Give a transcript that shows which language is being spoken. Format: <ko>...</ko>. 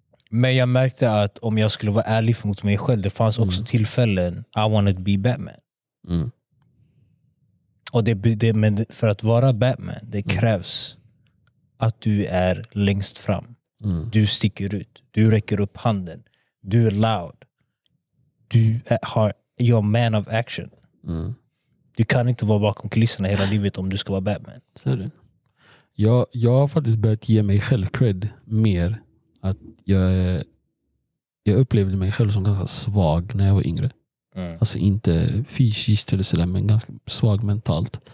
<sv>Men jag märkte att om jag skulle vara ärlig mot mig själv, det fanns också tillfällen</sv> <en>I wanted to be Batman. Mm.</en> <sv>Och det, men för att vara Batman, det krävs att du är längst fram. Mm. Du sticker ut. Du räcker upp handen. Du är loud. Du har,</sv> <en>you're a man of action. Mm.</en> <sv>Du kan inte vara bakom kulisserna hela livet om du ska vara Batman. Ser du? Jag har faktiskt börjat ge mig själv cred mer. Att jag upplevde mig själv som ganska svag när jag var yngre. Mm. Alltså inte fysiskt eller sådär, men ganska svag mentalt.</sv>